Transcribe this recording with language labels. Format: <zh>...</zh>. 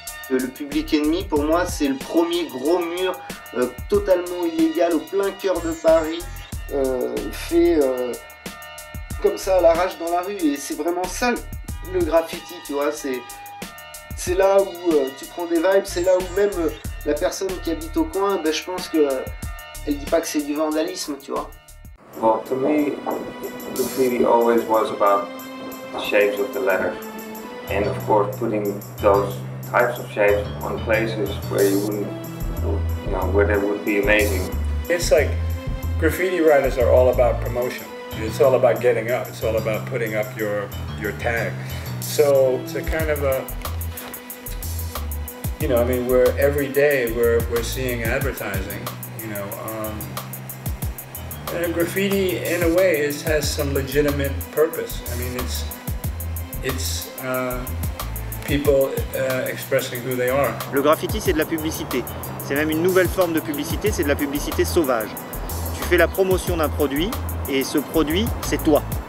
<fr>Le Public Enemy, pour moi, c'est le premier gros mur totalement illégal au plein cœur de Paris, fait comme ça à l'arrache dans la rue. Et c'est vraiment ça le graffiti, tu vois. C'est là où tu prends des vibes, c'est là où même la personne qui habite au coin, ben, je pense qu'elle dit pas que c'est du vandalisme, tu vois.</fr> <en>Well, to me, graffiti always was about the shapes of the letters. And of course, putting those types of shapes on places where you wouldn't, you know, where they would be amazing. It's like graffiti writers are all about promotion. It's all about getting up. It's all about putting up your tag. So it's a kind of a, you know, I mean, we're every day we're seeing advertising, you know, and graffiti in a way has some legitimate purpose. I mean, it's people expressing who they are.</en> <fr>Le graffiti, c'est de la publicité. C'est même une nouvelle forme de publicité, c'est de la publicité sauvage. Tu fais la promotion d'un produit, et ce produit, c'est toi.</fr>